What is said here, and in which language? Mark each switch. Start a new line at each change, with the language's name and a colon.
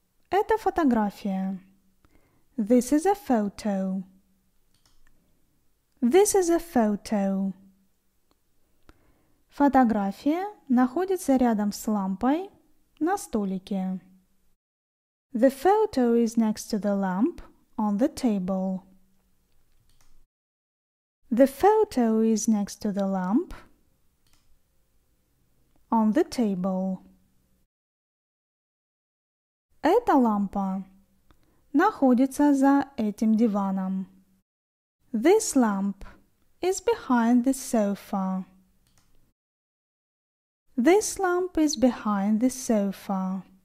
Russian: Это фотография.
English: This is a photo. This is a photo.
Russian: Фотография находится рядом с лампой на столике.
English: The photo is next to the lamp on the table. The photo is next to the lamp on the table.
Russian: Эта лампа находится за этим диваном.
English: This lamp is behind the sofa. This lamp is behind the sofa.